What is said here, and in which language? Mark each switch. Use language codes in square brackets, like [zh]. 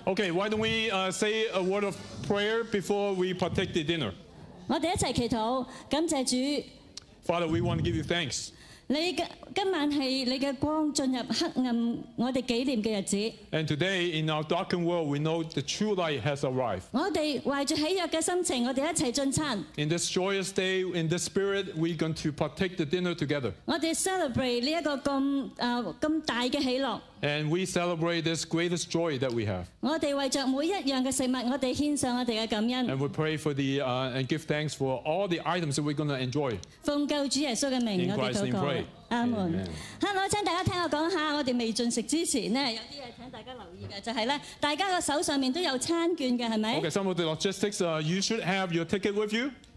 [en] ？Okay, why don't we say a word of prayer before we partake the dinner? [yue] 我哋一齊祈禱，感謝主。 [en] Father, we want to give you thanks. [yue] 你今晚係你嘅光進入黑暗，我哋紀念嘅日子。 [en] And today, in our darkened world, we know the true light has arrived. [yue] 我哋懷住喜悅嘅心情，我哋一齊進餐。 [en] In this joyous day, in this spirit, we're going to partake the dinner together. [yue] 我哋 celebrate 呢一個咁大嘅喜樂。 [en] And we celebrate this greatest joy that we have. [yue] 我哋為著每一樣嘅食物，我哋獻上我哋嘅感恩。 [en] And we pray for the and give thanks for all the items that we're going to enjoy. [yue] 奉救主耶穌嘅名，我哋禱告。阿門。Hello， 請大家聽我講下，我哋未進食之前咧，有啲嘢請大家留意嘅，就係咧，大家個手上面都有餐券嘅，係咪 [en] ？Okay, some of the logistics, you should have your ticket with you.